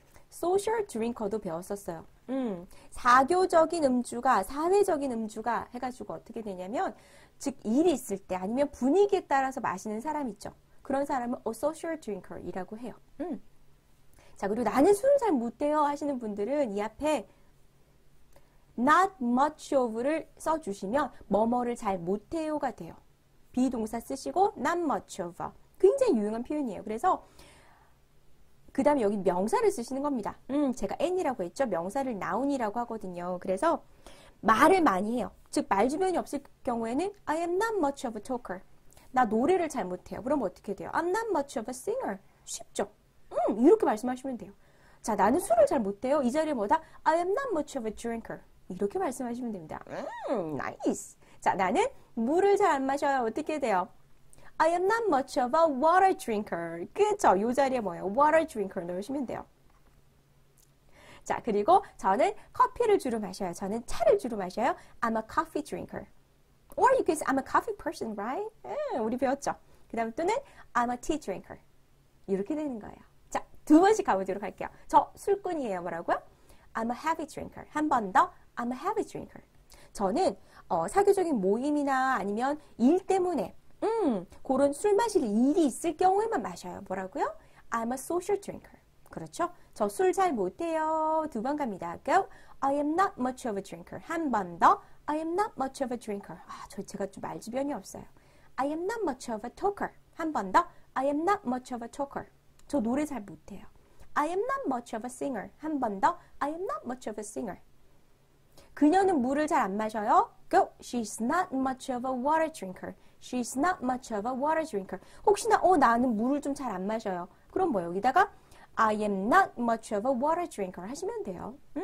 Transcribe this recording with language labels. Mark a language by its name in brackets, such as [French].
[Korean] Social drinker도 배웠었어요. 사교적인 음주가, 사회적인 음주가 해가지고 어떻게 되냐면, 즉, 일이 있을 때 아니면 분위기에 따라서 마시는 사람 있죠. 그런 사람은 a social drinker이라고 해요. 자, 그리고 나는 술을 잘 못해요 하시는 분들은 이 앞에 not much of를 써주시면 뭐뭐를 잘 못해요가 돼요. be 동사 쓰시고 not much of. 굉장히 유용한 표현이에요. 그래서 그 다음에 여기 명사를 쓰시는 겁니다. 제가 n이라고 했죠. 명사를 noun이라고 하거든요. 그래서 말을 많이 해요. 즉, 말 주변이 없을 경우에는 [English] I am not much of a talker. [Korean] 나 노래를 잘 못해요. 그럼 어떻게 돼요? [English] I'm not much of a singer. [Korean] 쉽죠? 이렇게 말씀하시면 돼요. 자, 나는 술을 잘 못해요. 이 자리에 뭐다? [English] I am not much of a drinker. [Korean] 이렇게 말씀하시면 됩니다. [English] Nice. [Korean] 자, 나는 물을 잘안 마셔요. 어떻게 돼요? [English] I am not much of a water drinker. [Korean] 그쵸? 이 자리에 뭐예요? Water drinker 넣으시면 돼요. 자, 그리고 저는 커피를 주로 마셔요. 저는 차를 주로 마셔요. [English] I'm a coffee drinker. Or you can say I'm a coffee person, right? [Korean] 우리 배웠죠? 그 다음 또는 [English] I'm a tea drinker. [Korean] 이렇게 되는 거예요. 자, 두 번씩 가보도록 할게요. 저 술꾼이에요. 뭐라고요? [English] I'm a heavy drinker. [Korean] 한번 더. [English] I'm a heavy drinker. [Korean] 저는 사교적인 모임이나 아니면 일 때문에 그런 술 마실 일이 있을 경우에만 마셔요. 뭐라고요? [English] I'm a social drinker. [Korean] 그렇죠? 저술잘 못해요. 두번 갑니다. [English] Go. I am not much of a drinker. [Korean] 한번 더. [English] I am not much of a drinker. [Korean] 아, 제가 좀 말주변이 없어요. [English] I am not much of a talker. [Korean] 한번 더. [English] I am not much of a talker. [Korean] 저 노래 잘 못해요. [English] I am not much of a singer. [Korean] 한번 더. [English] I am not much of a singer. [Korean] 그녀는 물을 잘안 마셔요? [English] Go. She's not much of a water drinker. She's not much of a water drinker. [Korean] 혹시나 나는 물을 좀잘안 마셔요. 그럼 뭐 여기다가 [English] I am not much of a water drinker [Korean] 하시면 돼요.